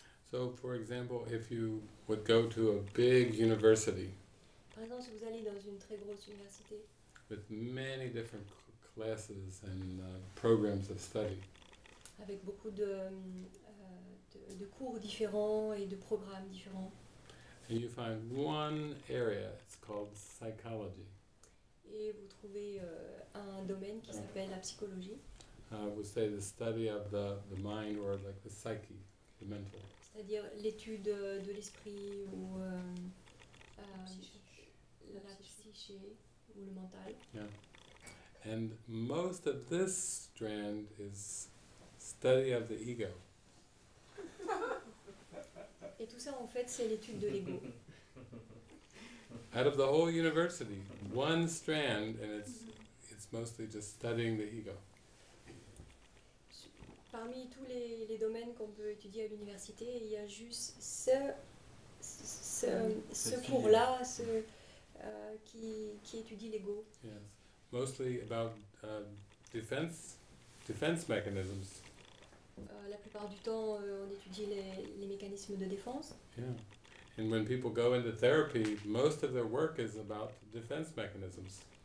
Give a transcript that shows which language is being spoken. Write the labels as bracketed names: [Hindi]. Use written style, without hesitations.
[English] So for example, if you would go to a big university. [French] Par exemple, si vous allez dans une très grosse université. [English] With many different classes and programs of study. [French] Avec beaucoup de cours différents et de programmes différents. [English] And you find one area, it's called psychology. [French] Et vous trouvez un domaine qui s'appelle la psychologie. [English] We say the study of the mind or like the psyche, the mental. [French] C'est-à-dire l'étude de l'esprit ou la psyché ou le mental. [English] Yeah. And most of this strand is study of the ego. [French] Et tout ça en fait c'est l'étude de l'ego. [English] Out of the whole university, one strand and it's mostly just studying the ego. [French] Parmi tous les domaines qu'on peut étudier à l'université, il y a juste ce cours-là qui étudie l'ego. [English] Yes, mostly about defense mechanisms. [French] La plupart du temps, on étudie les mécanismes de défense. [English] Yeah, and when people go into therapy, most of their work is about defense mechanisms.